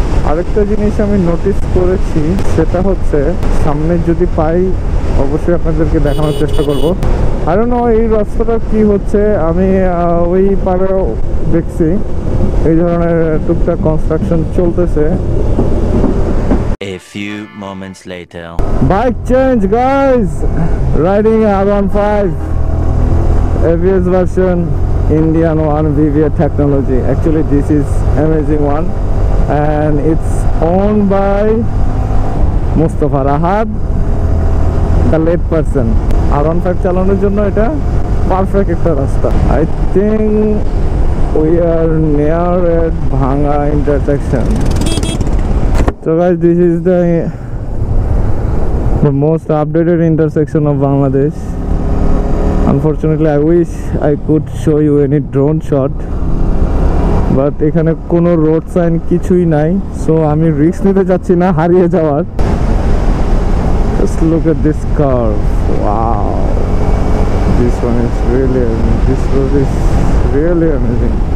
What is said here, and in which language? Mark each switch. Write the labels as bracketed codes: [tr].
[bn] আরেকটা জিনিস আমি নোটিস করেছি, সেটা হচ্ছে সামনে যদি পাই অবশ্যই আপনাদেরকে দেখানোর চেষ্টা করব। [en] I don't know [bn] এই রাস্তাটা কি হচ্ছে, আমি ওই পারে দেখছি এই ধরনের টুকটাক কনস্ট্রাকশন চলতেছে। [en] A few moments later, bike change guys, riding R15 ABS version, Indian one, VVA technology. Actually this is amazing one. And it's owned by Mustafa Rahab, the late person. [bn] R15 চালানোর জন্য এটা perfect একটা রাস্তা। [en] I think we are near at Bhanga intersection. So guys, this is the most updated intersection of Bangladesh. Unfortunately I wish I could show you any drone shot, [bn] but এখানে কোনো road sign কিছুই নাই, সো আমি রিস্ক নিতে যাচ্ছি না হারিয়ে যাওয়ার। [en] Just look at this curve. Wow. This one is really amazing. This road is really amazing.